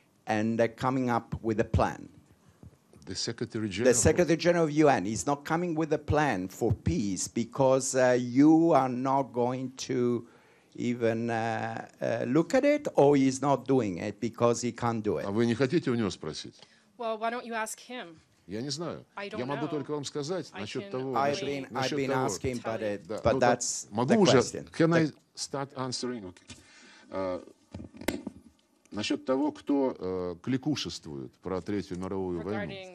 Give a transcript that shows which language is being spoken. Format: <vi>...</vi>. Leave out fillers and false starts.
<en>And they're coming up with a plan. The Secretary General of UN is not coming with a plan for peace because you are not going to even look at it, or he's not doing it because he can't do it.</en> <ru>А вы не хотите у него спросить?</ru> <en>Well, why don't you ask him?</en> <ru>Я не знаю. Я могу только вам сказать насчет того.</ru> <en>I've been asking about it, but that's the question. Can I start answering? Okay.</en> <ru>Насчет того, кто кликушествует про Третью мировую войну.</ru>